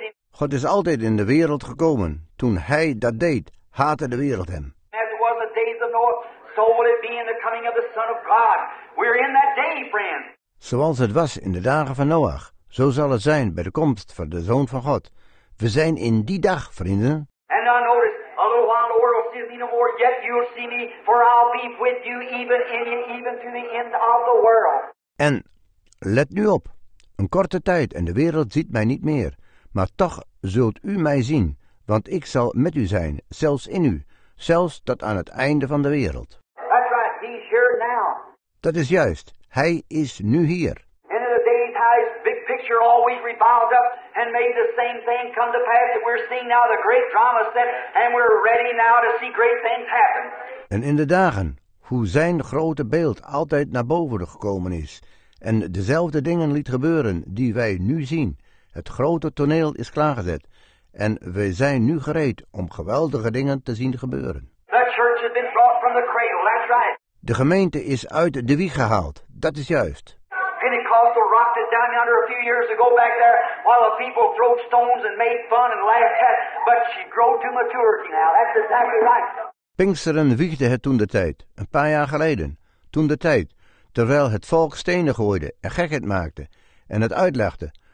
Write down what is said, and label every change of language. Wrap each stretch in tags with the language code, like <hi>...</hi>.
<nl>God is altijd in de wereld gekomen, toen hij dat deed. Haatte de wereld hem.</nl> <en>As was the days of Noah, so will it be in the coming of the Son of God. We're in that day, friend.</en> <nl>Zoals het was in de dagen van Noach, zo zal het zijn bij de komst van de Zoon van God. We zijn in die dag, vrienden.</nl> <en>And now notice, a little while the world sees me no more, yet you'll see me, for I'll be with you even in you, even to the end of the world.</en> <nl>En let nu op, een korte tijd en de wereld ziet mij niet meer, maar toch zult u mij zien. Want ik zal met u zijn, zelfs in u, zelfs tot aan het einde van de wereld.</nl> <en>That's right, he's here now.</en> <nl>Dat is juist, hij is nu hier.</nl> <en>End of the day, his big picture always revolved up and made the same thing come to pass that we're seeing now, the great drama set, and we're ready now to see great things happen.</en> <nl>En in de dagen, hoe zijn grote beeld altijd naar boven gekomen is, en dezelfde dingen liet gebeuren die wij nu zien, het grote toneel is klaargezet. En we zijn nu gereed om geweldige dingen te zien gebeuren.</nl> <en>The church has been brought from the cradle, that's right.</en> <nl>De gemeente is uit de wieg gehaald, dat is juist.</nl> <en>Pentecostal rocked it down yonder a few years ago back there, while the people throwed stones and made fun and laughed at, but she grew to maturity now, that's exactly right.</en> <nl>Pinksteren wiegde het toen de tijd, een paar jaar geleden, toen de tijd, terwijl het volk stenen gooide en gekheid maakte en het uitlachte.</nl>